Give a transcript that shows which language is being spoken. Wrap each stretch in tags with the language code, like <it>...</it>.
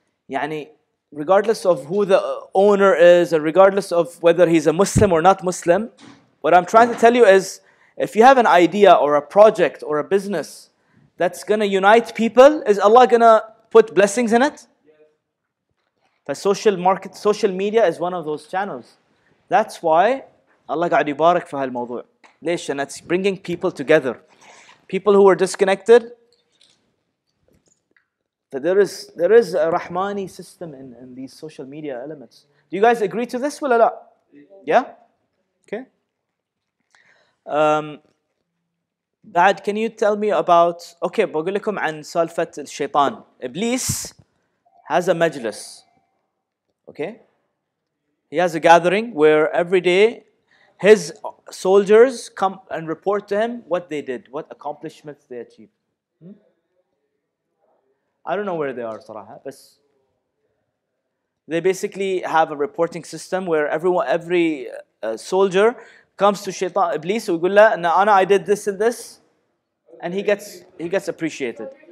<en>يعني regardless of who the owner is and regardless of whether he's a Muslim or not Muslim, what I'm trying to tell you is if you have an idea or a project or a business that's going to unite people, is Allah going to put blessings in it? Yeah. Social market, social media is one of those channels. That's why</en> <ar>Allah قاعد يبارك في هالموضوع.</ar> <en>ليش? And it's bringing people together. People who are disconnected, that there is a Rahmani system in these social media elements. Do you guys agree to this? Well, yeah? Okay. Dad, can you tell me about...</en> <ar>Okay, بقول لكم عن سالفة الشيطان.</ar> <en>Iblis has a majlis. Okay? He has a gathering where every day soldiers come and report to him what they did, what accomplishments they achieved. I don't know where they are, صراحة, but they basically have a reporting system where everyone, every soldier comes to Shaitan Iblis and says, "Ana, I did this and this," and he gets appreciated.</en>